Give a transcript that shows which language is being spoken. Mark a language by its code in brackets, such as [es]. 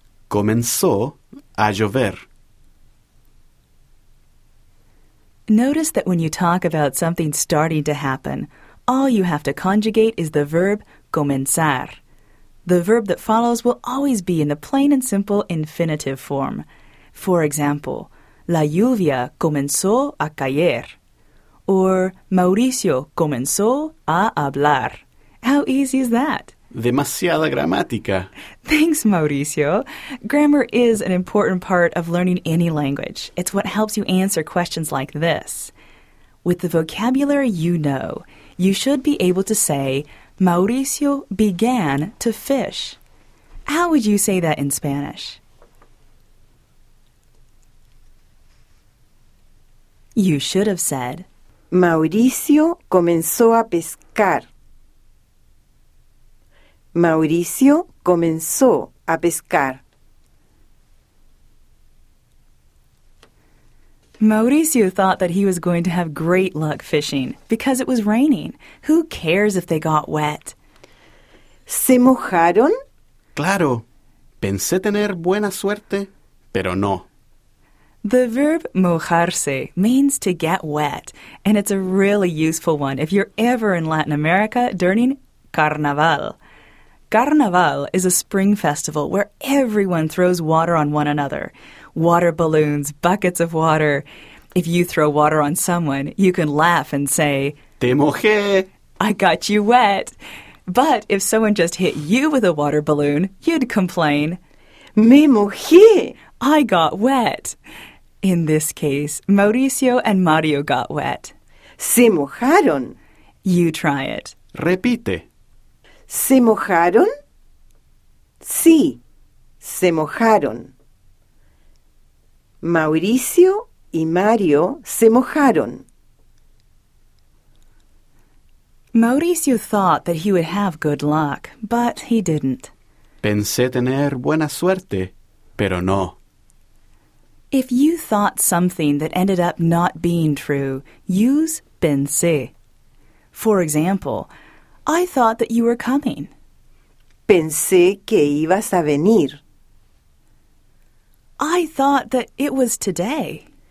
[es] Comenzó a llover. [en] Notice that when you talk about something starting to happen, all you have to conjugate is the verb comenzar. The verb that follows will always be in the plain and simple infinitive form. For example, [es] la lluvia comenzó a caer. Or, Mauricio comenzó a hablar. [en] How easy is that? [es] Demasiada gramática. [en] Thanks, Mauricio. Grammar is an important part of learning any language. It's what helps you answer questions like this. With the vocabulary you know, you should be able to say, Mauricio began to fish. How would you say that in Spanish? You should have said, [es] Mauricio comenzó a pescar. Mauricio comenzó a pescar. [en] Mauricio thought that he was going to have great luck fishing because it was raining. Who cares if they got wet? [es] ¿Se mojaron? Claro. Pensé tener buena suerte, pero no. [en] The verb mojarse means to get wet, and it's a really useful one if you're ever in Latin America during Carnaval. Carnaval is a spring festival where everyone throws water on one another. Water balloons, buckets of water. If you throw water on someone, you can laugh and say, [es] Te mojé! [en] I got you wet! But if someone just hit you with a water balloon, you'd complain, [es] Me mojé! [en] I got wet! In this case, Mauricio and Mario got wet. [es] Se mojaron. [en] You try it. [es] Repite. Se mojaron. Sí, se mojaron. Mauricio y Mario se mojaron. [en] Mauricio thought that he would have good luck, but he didn't. [es] Pensé tener buena suerte, pero no. [en] If you thought something that ended up not being true, use pensé. For example, I thought that you were coming. [es] Pensé que ibas a venir. [en] I thought that it was today.